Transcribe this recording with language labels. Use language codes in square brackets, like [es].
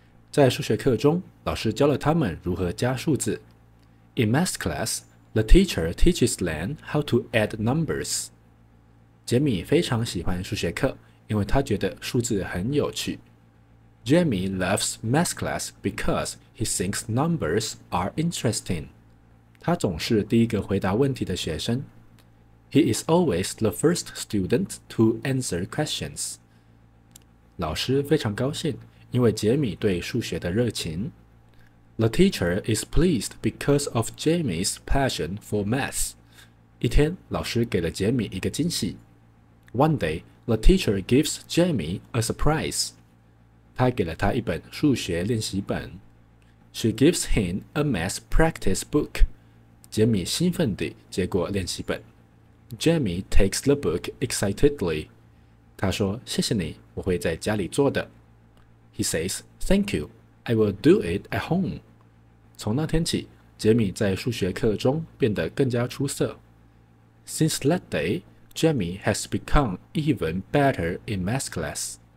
[zh] 在数学课中，老师教了他们如何加数字。 [en] In math class, the teacher teaches them how to add numbers. [zh] 杰米非常喜欢数学课，因为他觉得数字很有趣。 [en] Jamie loves math class because he thinks numbers are interesting. [zh] 他总是第一个回答问题的学生。 [en] He is always the first student to answer questions. [zh] 老师非常高兴，因为杰米对数学的热情。 [en] The teacher is pleased because of Jamie's passion for math. [zh] 一天，老师给了杰米一个惊喜。 [en] One day, the teacher gives Jamie a surprise. [zh] 他给了他一本数学练习本。 [en] She gives him a math practice book. [zh] 杰米兴奋地接过练习本。 [en] Jamie takes the book excitedly. [zh] 他说，谢谢你，我会在家里做的。 [en] He says, thank you, I will do it at home. [zh] 从那天起，杰米在数学课中变得更加出色。 [en] Since that day, Jamie has become even better in math class.